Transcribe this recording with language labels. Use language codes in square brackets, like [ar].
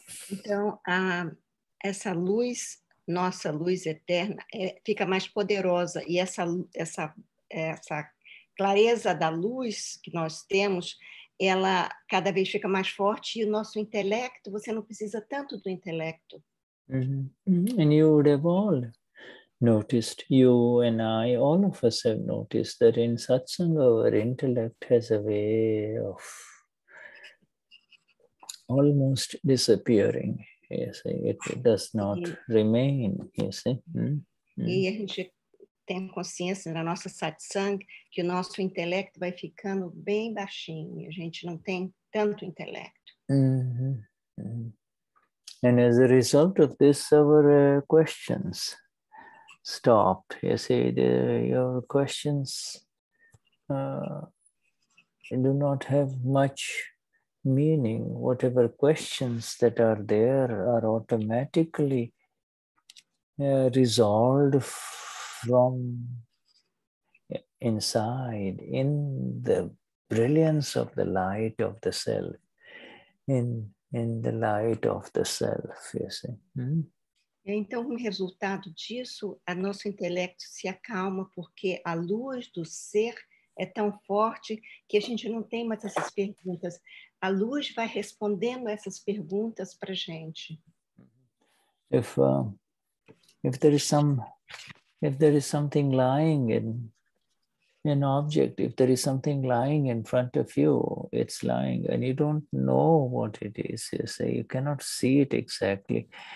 [pt] Então, essa luz, nossa luz eterna, fica mais poderosa. E essa clareza da luz que nós temos, ela cada vez fica mais forte. E o nosso intelecto, você não precisa tanto do intelecto. [en] Mm-hmm. And you would evolve. noticed, you and I, all of us have noticed that in satsang, our intellect has a way of almost disappearing. You see, it does not remain, you see. [pt] E a gente tem consciência na nossa satsang que o nosso intelecto vai ficando bem baixinho, a gente não tem tanto intelecto. [en] And as a result of this, our questions stop. You see, your questions do not have much meaning. Whatever questions that are there are automatically resolved from inside, in the brilliance of the light of the self, in the light of the self, you see. [pt] Então, como resultado disso, a nosso intelecto se acalma porque a luz do ser é tão forte que a gente não tem mais essas perguntas. A luz vai respondendo essas perguntas para a gente. [en] If there is something lying in an object, if there is something lying in front of you, it's lying and you don't know what it is, you say, you cannot see it exactly.